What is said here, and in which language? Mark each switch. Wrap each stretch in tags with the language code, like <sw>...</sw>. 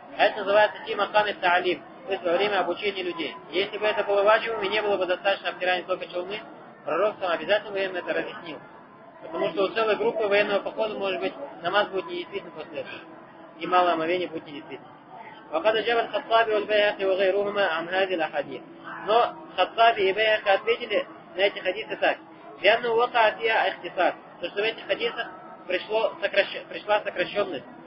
<ru>А это называется тимакан и таалим, то есть во время обучения людей. Если бы это было важным, и не было бы достаточно обтирания только чалмы, пророк сам обязательно им это разъяснил. Потому что у целой группы военного похода, может быть, намаз будет недействительным после этого. И малое омовение будет недействительным.</ru> <ar>وقد جاب الخطابي والبيهقي وغيرهما عن هذه الأحاديث.</ar> <ru>Но Хаттаби и Байхаки ответили на эти хадисы так.</ru> <ar>لأنه وقع فيها اختصار.</ar> <ru>То, что в этих хадисах пришла сокращенность.</ru>